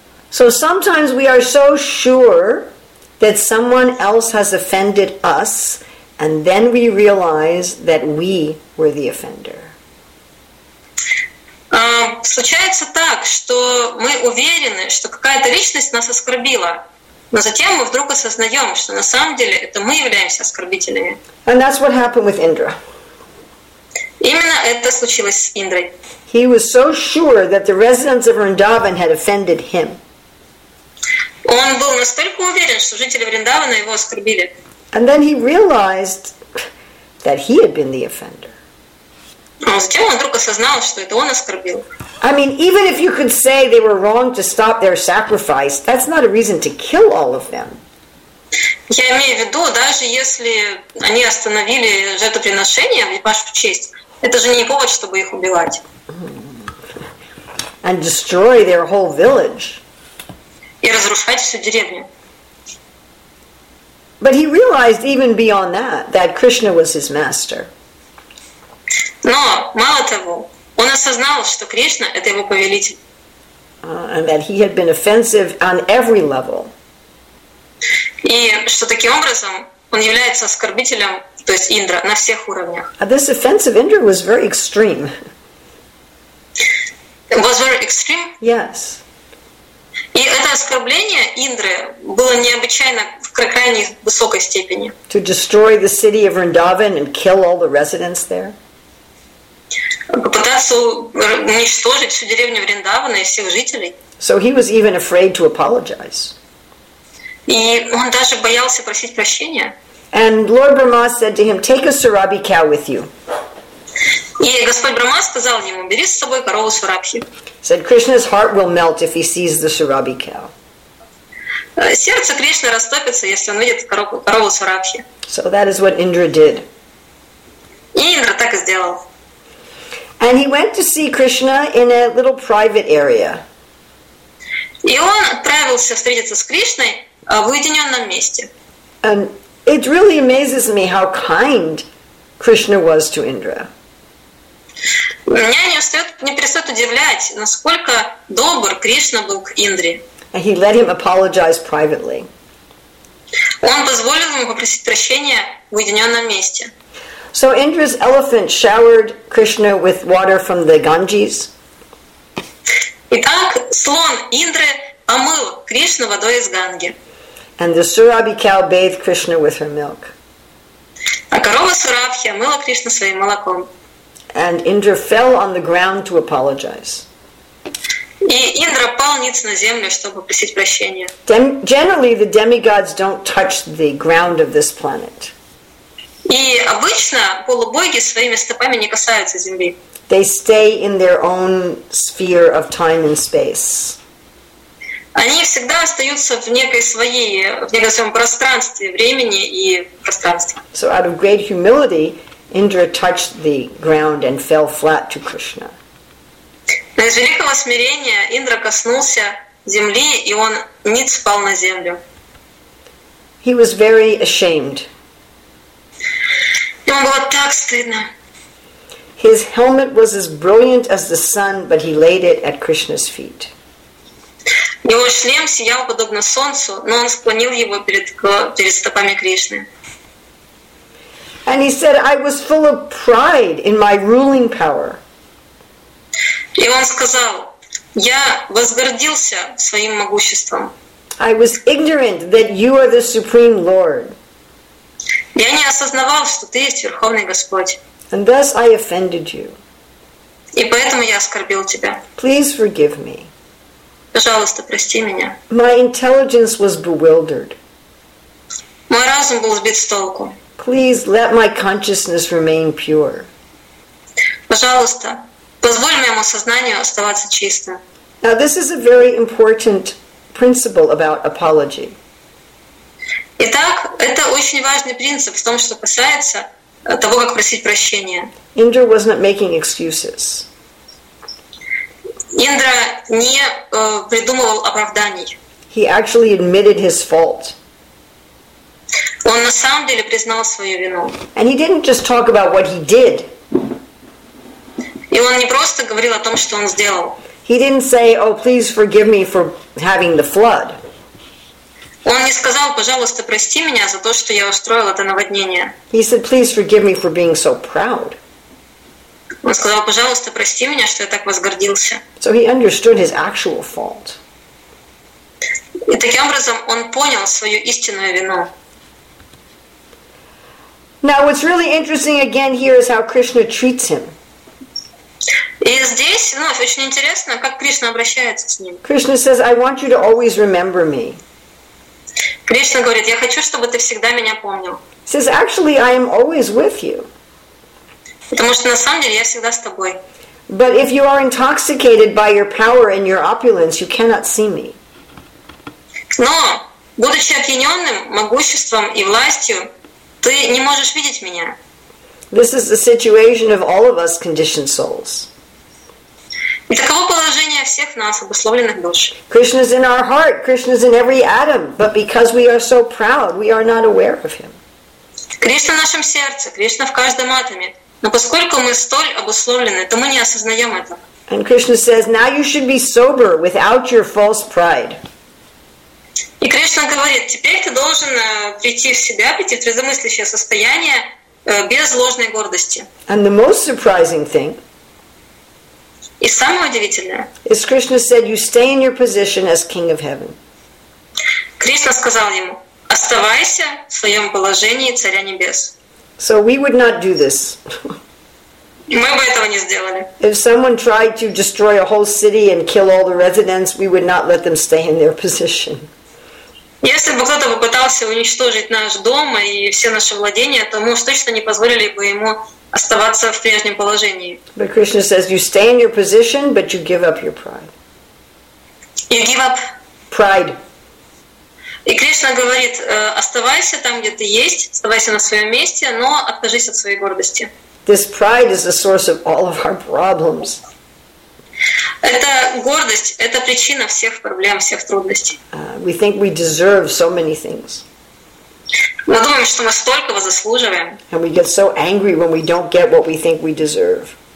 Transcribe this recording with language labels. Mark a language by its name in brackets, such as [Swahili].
[English] So sometimes we are so sure that someone else has offended us, and then we realize that we were the offender. [Russian] Случается так, что мы уверены, что какая-то личность нас оскорбила, но затем мы вдруг осознаем, что на самом деле это мы являемся оскорбителями. [English] And that's what happened with Indra. [Russian] Именно это случилось с Индрой. [English] He was so sure that the residents of Vrindavan had offended him. [Russian] Он был настолько уверен, что жители Вриндавана его оскорбили. [English] And then he realized that he had been the offender. [Russian] Но затем он вдруг осознал, что это он оскорбил. [English] I mean, even if you could say they were wrong to stop their sacrifice, that's not a reason to kill all of them. [Russian] Я имею в виду, даже если они остановили жертвоприношение в вашу честь, это же не повод, чтобы их убивать. [English] And destroy their whole village. [Russian] И разрушать всю деревню. [English] But he realized even beyond that that Krishna was his master. [Russian] Но мало того, он осознал, что Кришна это его повелитель. [English] And that he had been offensive on every level. [Russian] И что таким образом он является оскорбителем, то есть Индра, на всех уровнях. [English] This offense of Indra was very extreme. It was very extreme? Yes. [Russian] И это оскорбление Индры было необычайно в крайне высокой степени. [English] To destroy the city of Vrindavan and kill all the residents there? [Russian] Попытаться уничтожить всю деревню Вриндавана и всех жителей. [English] So he was even afraid to apologize. [Russian] И он даже боялся просить прощения. [English] And Lord Brahma said to him, take a Surabhi cow with you. [Russian] И Господь Брахма сказал ему, бери с собой корову Сурабхи. [English] Said Krishna's heart will melt if he sees the Surabhi cow. [Russian] Сердце Кришны растопится, если он видит корову Сурабхи. [English] So that is what Indra did. [Russian] И Индра так и сделал. [English] And he went to see Krishna in a little private area. [Russian] И он отправился встретиться с Кришной в уединенном месте. [English] And it really amazes me how kind Krishna was to Indra. [Russian] Меня не перестает удивлять, насколько добр Кришна был к Индре. [English] And he let him apologize privately. [Russian] Он позволил ему попросить прощения в уединенном месте. [English] So Indra's elephant showered Krishna with water from the Ganges. [Russian] Итак, слон Индры омыл Кришну водой из Ганги. [English] And the Surabhi cow bathed Krishna with her milk. [Russian] А корова Сурабхи омыла Кришну своим молоком. [English] And Indra fell on the ground to apologize. [Russian] И Индра пал ниц на землю, чтобы просить прощения. [English] Generally, the demigods don't touch the ground of this planet. [Russian] И обычно полубоги своими стопами не касаются земли. [English] They stay in their own sphere of time and space. [Russian] Они всегда остаются в некой своей, в некой своем пространстве, времени и пространстве. [English] So out of great humility, Indra touched the ground and fell flat to Krishna. [Russian] Из великого смирения Индра коснулся земли, и он ниц пал на землю. [English] He was very ashamed. [Russian] Ему было так стыдно. [English] His helmet was as brilliant as the sun, but he laid it at Krishna's feet. [Russian] Его шлем сиял подобно солнцу, но он склонил его перед стопами Кришны. [English] And he said, I was full of pride in my ruling power. [Russian] И он сказал, я возгордился своим могуществом. [English] I was ignorant that you are the Supreme Lord. [Russian] Я не осознавал, что ты есть Верховный Господь. [English] And thus I offended you. [Russian] И поэтому я оскорбил тебя. [English] Please forgive me. [Russian] Пожалуйста, прости меня. [English] My intelligence was bewildered. [Russian] Мой разум был сбит с толку. [English] Please let my consciousness remain pure. [Russian] Пожалуйста, позволь моему сознанию оставаться чистым. [English] Now this is a very important principle about apology. [Russian] Итак, это очень важный принцип в том, что касается того, как просить прощения. [English] Indra was not making excuses. [Russian] Индра не придумывал оправданий. [English] He actually admitted his fault. [Russian] Он на самом деле признал свою вину. [English] And he didn't just talk about what he did. [Russian] И он не просто говорил о том, что он сделал. [English] He didn't say, "Oh, please forgive me for having the flood." [Russian] Он не сказал, пожалуйста, прости меня за то, что я устроил это наводнение. [English] He said, "Please forgive me for being so proud." [Russian] Он сказал, пожалуйста, прости меня, что я так возгордился. [English] So he understood his actual fault. [Russian] И таким образом он понял свою истинную вину. [English] Now, what's really interesting again here is how Krishna treats him. [Russian] И здесь, ну, очень интересно, как Кришна обращается с ним. [English] Krishna says, "I want you to always remember me." [Russian] Кришна говорит, я хочу, чтобы ты всегда меня помнил. [English] Says, "Actually, I am always with you." [Russian] Потому что на самом деле я всегда с тобой. [English] But if you are intoxicated by your power and your opulence, you cannot see me. [Russian] Но будучи опьяненным могуществом и властью, ты не можешь видеть меня. [English] This is the situation of all of us conditioned souls. [Russian] И таково положение всех нас, обусловленных душ. [English] Krishna's in our heart, Krishna's in every atom, but because we are so proud, we are not aware of him. [Russian] Кришна в нашем сердце, Кришна в каждом атоме, но поскольку мы столь обусловлены, то мы не осознаем этого. [English] And Krishna says, "Now you should be sober without your false pride." [Russian] И Кришна говорит, теперь ты должен прийти в себя, прийти в трезвомыслящее состояние без ложной гордости. [English] And the most surprising thing. [Russian] И самое удивительное. [English] Is Krishna said, "You stay in your position as King of Heaven." [Russian] Кришна сказал ему, оставайся в своем положении царя небес. [English] So we would not do this. [Russian] Мы бы этого не сделали. [English] If someone tried to destroy a whole city and kill all the residents, we would not let them stay in their position. [Russian] Если бы кто-то попытался уничтожить наш дом и все наши владения, то мы уж точно не позволили бы ему оставаться в прежнем положении. [English] But Krishna says, "You stay in your position, but you give up your pride." You give up. Pride. [Russian] И Кришна говорит, оставайся там, где ты есть, оставайся на своем месте, но откажись от своей гордости. [English] This pride is the source of all of our problems. [Russian] Это гордость, это причина всех проблем, всех трудностей. [English] We think we deserve so many things. [Russian] Мы думаем, что мы столького заслуживаем. [English] And we get so angry when we don't get what we think we deserve.